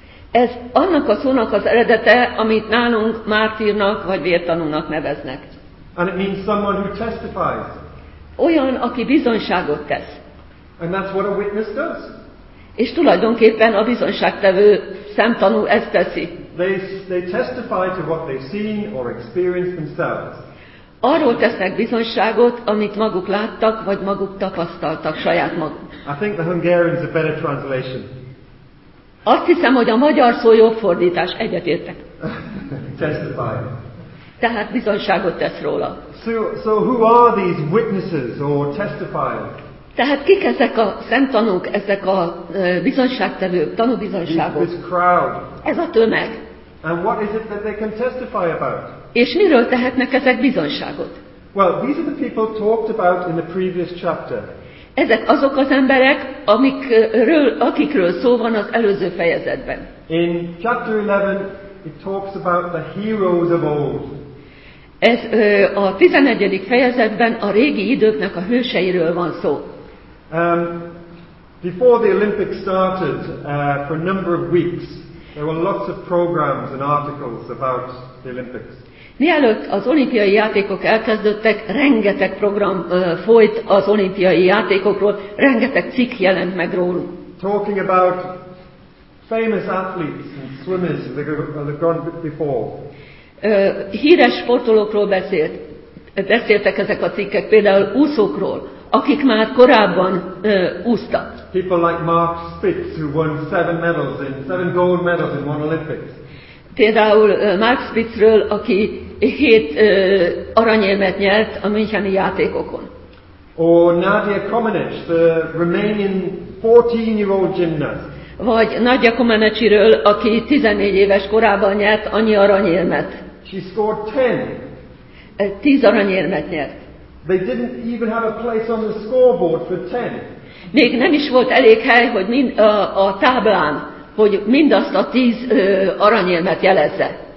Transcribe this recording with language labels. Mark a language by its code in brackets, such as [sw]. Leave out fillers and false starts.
[hu] Ez annak a szónak az eredete, amit nálunk mártírnak vagy vértanúnak neveznek. [en] And it means someone who testifies. [hu] Olyan, aki bizonyságot tesz. [en] And that's what a witness does. [hu] És tulajdonképpen a bizonyságtevő szemtanú ezt teszi. [en] They testify to what they've seen or experienced themselves. [hu] Arról tesznek bizonyságot, amit maguk láttak, vagy maguk tapasztaltak saját maguk. [en] I think the Hungarian's a better translation. [hu] Azt hiszem, hogy a magyar szó jobb fordítás, egyetértek. [en] Testify. [hu] Tehát bizonyságot tesz róla. [en] So who are these witnesses or testifiers? [hu] Tehát kik ezek a szemtanúk, ezek a bizonyságtevők, tanúbizonyságok? [en] This crowd. [hu] Ez a tömeg. [en] And what is it that they can testify about? [hu] És miről tehetnek ezek bizonyságot? [en] Well, these are the people talked about in the previous chapter. [hu] Ezek azok az emberek, akikről szó van az előző fejezetben. [en] In chapter 11, it talks about the heroes of old. [hu] Ez a 11. fejezetben a régi időknek a hőseiről van szó. [en] Before the Olympics started, for a number of weeks, there were lots of programs and articles about the Olympics. [hu] Mielőtt az olimpiai játékok elkezdődtek, rengeteg program folyt az olimpiai játékokról, rengeteg cikk jelent meg róluk. [en] Talking about famous athletes and swimmers that have gone before. [hu] Híres sportolókról beszéltek ezek a cikkek, például úszókról, akik már korábban úsztak. [en] People like Mark Spitz, who won seven gold medals in one Olympics. [hu] Például Mark Spitzről, aki 7 aranyérmet nyert a müncheni játékokon. [en] Or Nadia Comăneci, the Romanian 14-year-old gymnast. [hu] Vagy Nadia Comăneciről, aki 14 éves korában nyert annyi aranyérmet. [en] She scored 10. [hu] 10 aranyérmet nyert. [en] They didn't even have a place on the scoreboard for 10. [hu] Még nem is volt elég hely, hogy a táblán, hogy mindazt a 10 aranyérmet jelezze.